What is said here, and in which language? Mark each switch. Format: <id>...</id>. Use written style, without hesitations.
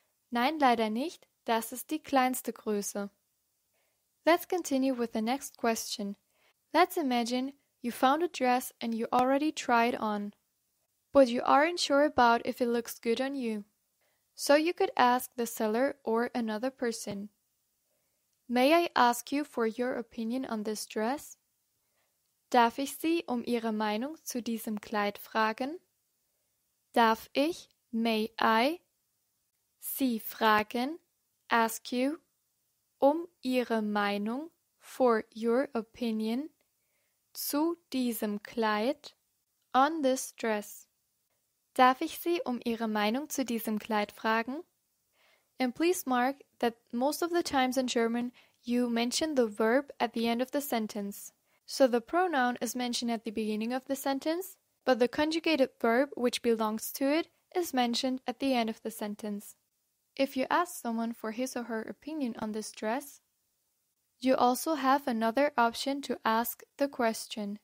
<de>Nein, leider nicht, das ist die kleinste Größe.</de> <en>Let's continue with the next question. Let's imagine you found a dress and you already tried on, but you aren't sure about if it looks good on you. So you could ask the seller or another person. May I ask you for your opinion on this dress?</en> <de>Darf ich Sie um Ihre Meinung zu diesem Kleid fragen? Darf ich,</de> <en>may I,</en> <de>Sie fragen,</de> <en>ask you,</en> <de>um Ihre Meinung,</de> <en>for your opinion,</en> <de>zu diesem Kleid,</de> <en>on this dress?</en> <de>Darf ich Sie um Ihre Meinung zu diesem Kleid fragen?</de> <en>And please mark that most of the times in German, you mention the verb at the end of the sentence. So the pronoun is mentioned at the beginning of the sentence, but the conjugated verb which belongs to it is mentioned at the end of the sentence. If you ask someone for his or her opinion on this dress, you also have another option to ask the question.</en>